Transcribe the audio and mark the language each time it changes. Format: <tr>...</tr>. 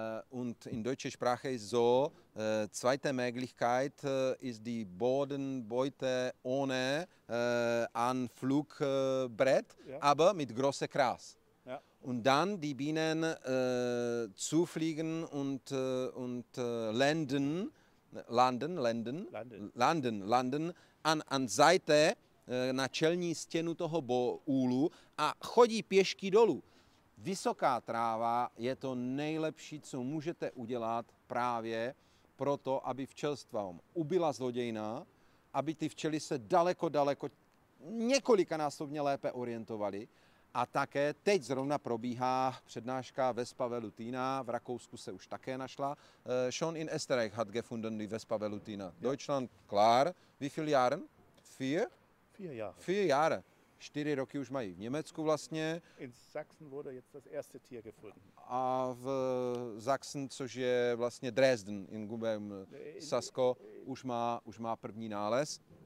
<de>Und in deutscher Sprache ist so, zweite Möglichkeit ist die Bodenbeute ohne Anflugbrett, aber mit großer Gras. Und dann die Bienen zufliegen und landen an Seite,</de> <cs>na čelní stěnu toho úlu a chodí pěšky dolů. Vysoká tráva je to nejlepší, co můžete udělat právě proto, aby včelstva ubyla zlodějna, aby ty včely se daleko, daleko, několikanásobně lépe orientovaly. A také teď zrovna probíhá přednáška Vespa velutina, v Rakousku se už také našla.</cs> <de>Schon in Österreich hat gefunden die Vespa velutina. Deutschland, klar. Wie viele Jahre? Vier Jahre.</de> <cs>4 roky už mají v Německu vlastně.</cs> <de>In Sachsen wurde jetzt das erste Tier gefunden.</de> <cs>A v Sachsen, což je vlastně Dresden, in Gubem Sasko, už má první nález.</cs>